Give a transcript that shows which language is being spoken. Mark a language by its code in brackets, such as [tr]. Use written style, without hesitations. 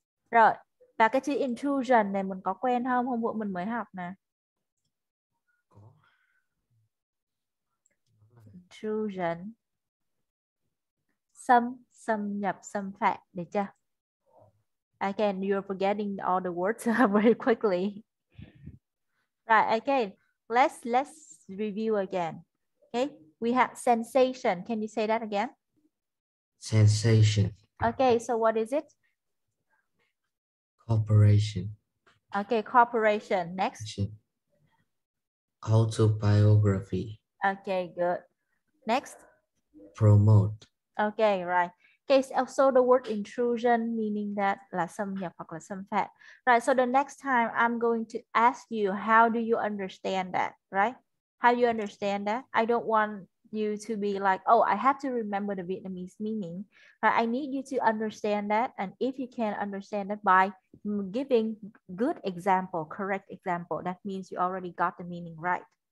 [vi] Rồi, và cái chữ intrusion này mình có quen không? Hôm bữa mình mới học nè. Intrusion. Xâm nhập, xâm phạm, được chưa? [en] Again, you're forgetting all the words very quickly. Right, again, let's review again. Okay, we have sensation. Can you say that again? Sensation. Okay, so what is it? Corporation. Okay, corporation. Next. Autobiography. Okay, good. Next. Promote. Okay, right. Okay, so the word intrusion meaning that [vi] là xâm nhập hoặc là xâm phạm. [en] Right, so the next time I'm going to ask you, how do you understand that, right? How do you understand that? I don't want you to be like, oh, I have to remember the Vietnamese meaning. Right? I need you to understand that. And if you can understand it by giving good example, correct example, that means you already got the meaning right.